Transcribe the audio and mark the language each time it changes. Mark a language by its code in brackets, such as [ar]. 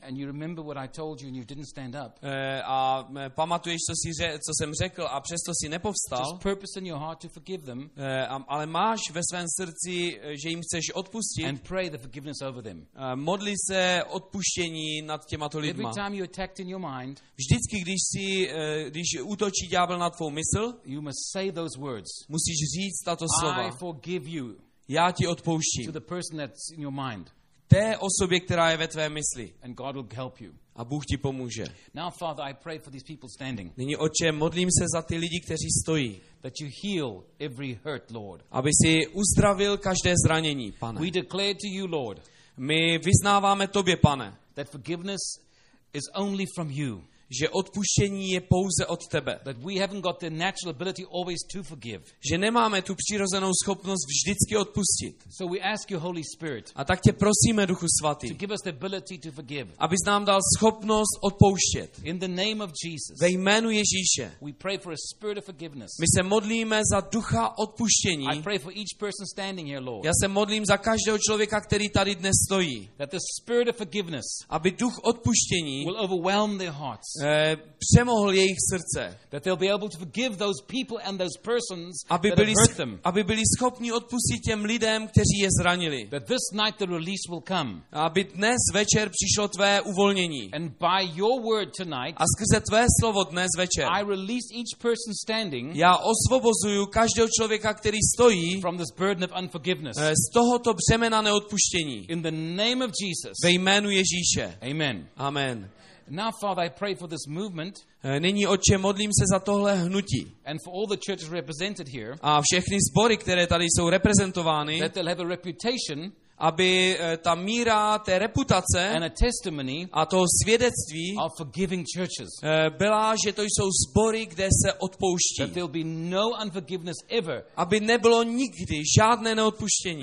[en] and you remember what I told you and you didn't stand up, [cs] a pamatuješ, co jsem řekl a přesto si nepovstal, [en] just purpose in your heart to forgive them, [cs] ale máš ve svém srdci, že jim chceš odpustit, [en] and pray the forgiveness over them, [cs] modli se odpuštění nad těma to lidma. [en] Every time you attacked in your mind, [cs] vždycky když si když útočí ďábel na tvou mysl, [en] you must say those words, [cs] musíš říct tato slova. [en] I forgive you. [cs] Já ti odpouštím. [en] To the person that's in your mind. [cs] té osobě, která je ve tvé mysli. [en] And God will help you. [cs] A Bůh ti pomůže. [en] Now, Father, I pray for these people standing. [cs] Nyní, Otče, modlím se za ty lidi, kteří stojí. [en] That you heal every hurt, Lord. [cs] Aby si uzdravil každé zranění, Pane. [en] We declare to you, Lord. [cs] My vyznáváme tobě, Pane. [en] That forgiveness is only from you. [cs] Že odpuštění je pouze od tebe. [en] That we haven't got the natural ability always to forgive. [cs] Že nemáme tu přirozenou schopnost vždycky odpustit. [en] So we ask you, Holy Spirit, [cs] a tak tě prosíme, Duchu Svatý, [en] to give us the ability to forgive. [cs] Abys nám dal schopnost odpouštět. [en] In the name of Jesus, [cs] ve jménu Ježíše, [en] we pray for a spirit of forgiveness. [cs] My se modlíme za ducha odpuštění. [en] I pray for each person standing here, Lord. [cs] Já se modlím za každého člověka, který tady dnes stojí. [en] That the spirit of forgiveness, [cs] aby duch odpuštění [en] will overwhelm their hearts. [cs] Přemohl jejich srdce. [en] That they'll be able to forgive those people and those persons, [cs] aby byli schopni odpustit těm lidem, kteří je zranili. [en] That this night the release will come. [cs] Aby dnes večer přišlo tvé uvolnění. [en] And by your word tonight, [cs] a skrze tvé slovo dnes večer, [en] I release each person standing, [cs] já osvobozuju každého člověka, který stojí, [en] from this burden of unforgiveness, [cs] z tohoto břemena neodpuštění. [en] In the name of Jesus, [cs] ve jménu Ježíše. [en] Amen. [cs] Amen. [en] Now, Father, I pray for this movement. [cs] Nyní, Otče, modlím se za tohle hnutí. [en] And for all the churches represented here. [cs] A všechny sbory, které tady jsou reprezentovány. [en] That they'll have a reputation. [cs] Aby ta míra té reputace [en] and a testimony [cs] a toho svědectví [en] of forgiving churches. [cs] Byla, že to jsou sbory, kde se odpouští. [en] That there'll be no unforgiveness ever. [cs] Aby nebylo nikdy žádné neodpuštění.